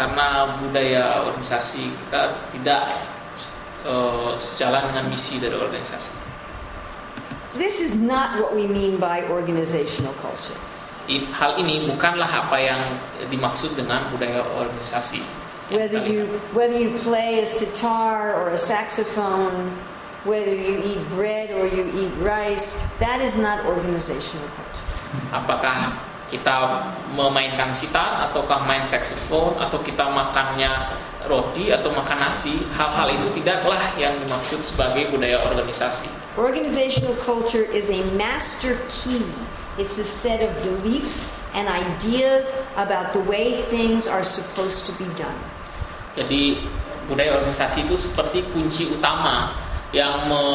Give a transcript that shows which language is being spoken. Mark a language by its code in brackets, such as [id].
[id] Karena budaya organisasi kita tidak sejalan dengan misi dari organisasi. [en] This is not what we mean by organizational culture. [id] Hal ini bukanlah apa yang dimaksud dengan budaya organisasi. [en] Whether you play a sitar or a saxophone, whether you eat bread or you eat rice, that is not organizational culture. [id] Apakah kita memainkan sitar ataukah main saxophone atau kita makannya roti atau makan nasi, hal-hal itu tidaklah yang dimaksud sebagai budaya organisasi. [en] Organizational culture is a master key. It's a set of beliefs and ideas about the way things are supposed to be done. [id] Jadi budaya organisasi itu seperti kunci utama yang